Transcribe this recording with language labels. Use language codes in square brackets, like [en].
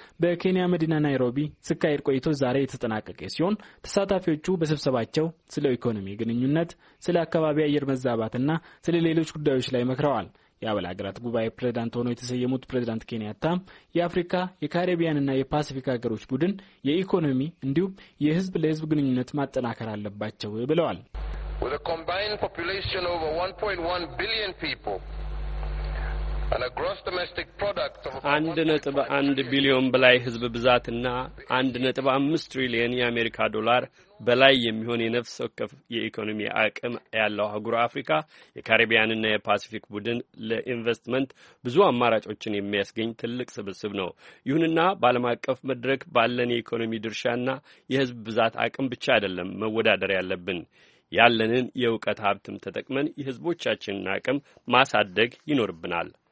[am] በኬንያ መዲና ናይሮቢ ሲካሄድ ቆይቶ ዛሬ የተጠናቀቀ ሲሆን ተሳታፊዎቹ በስብሰባቸው ስለ ኢኮኖሚ ግንኙነት፣ ስለ አካባቢ አየር መዛባትና ስለ ሌሎች ጉዳዮች ላይ መክረዋል። የአባል ሀገራት ጉባኤ ፕሬዝዳንት ሆነው የተሰየሙት ፕሬዝዳንት ኬንያታ የአፍሪካ የካሪቢያንና የፓሲፊክ ሀገሮች ቡድን የኢኮኖሚ እንዲሁም የህዝብ ለህዝብ ግንኙነት ማጠናከር አለባቸው ብለዋል። [en] With a combined population of over 1.1 billion people and a gross domestic product of [am] 1.1 billion በላይ ህዝብ ብዛትና 1.5 trillion የአሜሪካ ዶላር በላይ የሚሆን የነፍስ ወከፍ የኢኮኖሚ አቅም ያለው አህጉር አፍሪካ የካሪቢያንና የፓሲፊክ ቡድን ለኢንቨስትመንት ብዙ አማራጮችን የሚያስገኝ ትልቅ ስብስብ ነው። ይሁንና ባለም አቀፍ መድረክ ባለን የኢኮኖሚ ድርሻና የህዝብ ብዛት አቅም ብቻ አይደለም መወዳደር ያለብን። ያለንን የውቀት ሀብትም ተጠቅመን የህዝቦቻችንን አቅም ማሳደግ ይኖርብናል።